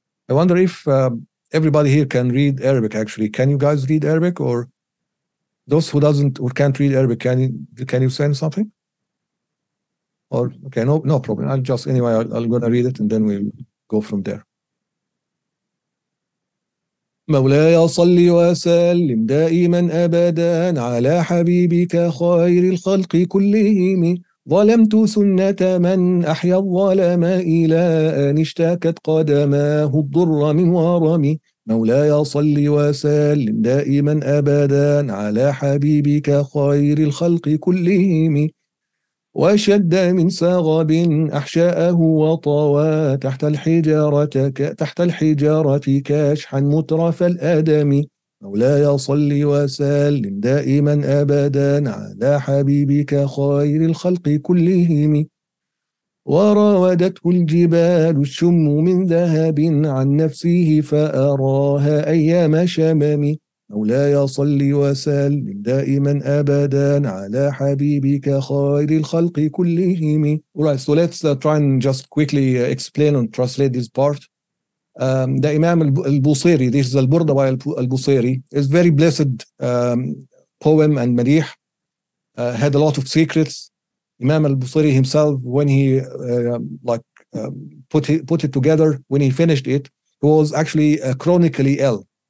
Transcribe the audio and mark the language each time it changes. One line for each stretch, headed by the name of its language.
English: I wonder if everybody here can read Arabic, actually. Can you guys read Arabic, or those who doesn't or can't read Arabic, can you send something? Or okay, no problem. I'm going to read it and then we'll go from there.
Arabic: مولاي صلي وسلم دائما أبدا على حبيبك خير الخلق كلهم ظلمت سنة من أحيى الظلم إلى أن اشتكت قدماه الضر من ورمي مولاي صلي وسلم دائما أبدا على حبيبك خير الخلق كلهم وشد من سغب أحشاءه وطوى تحت الحجارة كاشحا مترف الأدم مولاي صلي وسلم دائما أبدا على حبيبك خير الخلق كلهم وراودته الجبال الشم من ذهب عن نفسه فأراها أيام شمم مولاي صلي وسلم دائما أبدا على حبيبك خير الخلق كلهم.
English: Alright, so let's try and just quickly explain and translate this part. The Imam al-Busiri, this is al-Burdawi al-Busiri, is very blessed poem and madih, had a lot of secrets. Imam al-Busiri himself, when he put it together, when he finished it, he was actually chronically ill.